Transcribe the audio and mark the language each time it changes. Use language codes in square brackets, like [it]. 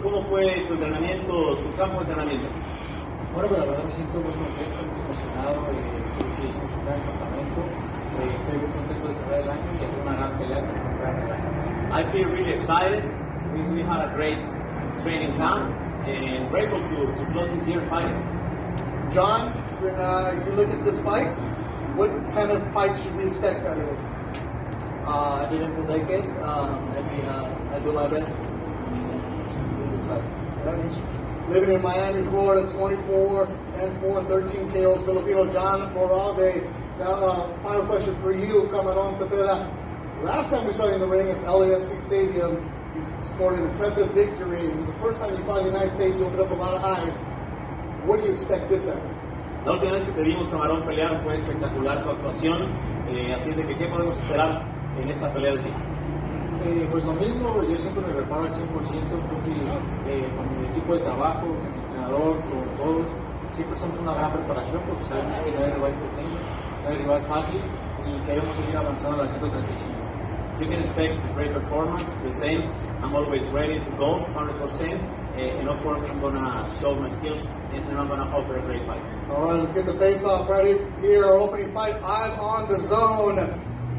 [es] ¿Cómo fue tu entrenamiento, tu campo de entrenamiento? Bueno, pues la verdad me siento muy contento, muy emocionado, porque hicimos un gran campamento. Estoy muy contento de cerrar el año y hacer una gran pelea con un gran [en] año. I feel really excited. We had a great training camp and grateful to close this year fighting. John, when you look at this fight, what kind of fight should we expect Saturday? I didn't predict it. I do my best in this fight. That means living in Miami, Florida, 24-4, 13 KOs, Filipino. John Moralde. Now, final question for you, Camarón Zepeda. Last time we saw you in the ring at LAFC Stadium, you scored an impressive victory. It was the first time you fought in the United States. You opened up a lot of eyes. What do you expect this time? [es] La última vez que te vimos, Camarón, pelear fue espectacular tu actuación. Así es de que, ¿qué podemos esperar en esta pelea de ti? Pues lo mismo, yo siempre me preparo al 100% con mi equipo de trabajo, con mi entrenador, con todos. Siempre somos una gran preparación porque sabemos que no hay rival pequeño, no hay rival fácil y queremos seguir avanzando a la 135. [en] You can expect a great performance, the same. I'm always ready to go 100%. And of course, I'm going to show my skills and I'm going to hope for a great fight. All right, let's get the face off ready. Here, our opening fight, I'm on the zone.